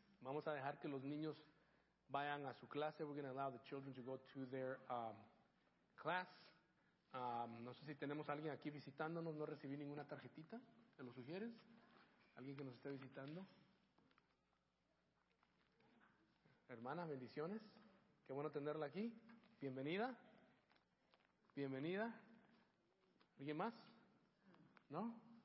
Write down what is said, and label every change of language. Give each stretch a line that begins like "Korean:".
Spanish: Vamos a dejar que los niños vayan a su clase.
English: We're going to allow the children to go to their class.
Spanish: No sé si tenemos a alguien aquí visitándonos. No recibí ninguna tarjetita. ¿Te lo sugieres? ¿Alguien que nos esté visitando? Hermana, bendiciones. Qué bueno tenerla aquí. Bienvenida. Bienvenida. ¿Alguien más? ¿No?